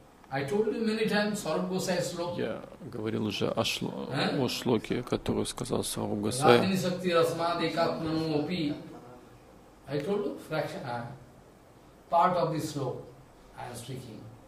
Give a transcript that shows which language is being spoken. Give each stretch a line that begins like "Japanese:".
English: I told you many times Saurabh Gosai slok.
Russian: Я говорил уже о шлоке, который сказал Саурабх Госвами.
Sanskrit: Радхини Сакти Расмаде Катману Опи.
English: I told you fraction, part of this slok I am speaking.